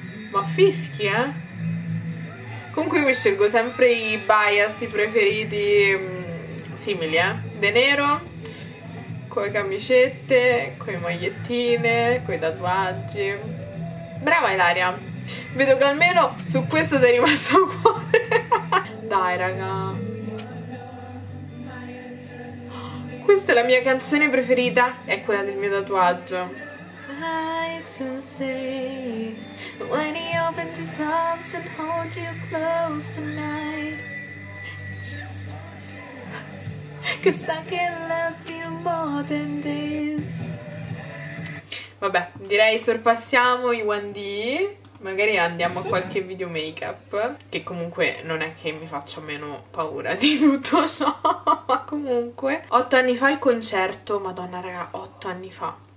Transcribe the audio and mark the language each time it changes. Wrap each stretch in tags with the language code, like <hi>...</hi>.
<it>Ma fischi, eh. Comunque io mi scelgo sempre i bias, i preferiti simili, De Nero, con le camicette, con le magliettine, con i tatuaggi. Brava Ilaria. Vedo che almeno su questo sei rimasto un po'. Dai, raga, questa è la mia canzone preferita, è quella del mio tatuaggio.</it> <en>Eyes and say, when he opens his arms and holds you close tonight, just cause I can love you more than this.</en> <it>Vabbè, direi sorpassiamo i 1D. Magari andiamo a qualche video make-up, che comunque non è che mi faccia meno paura di tutto ciò, ma comunque... 8 anni fa il concerto, madonna raga, 8 anni fa.</it>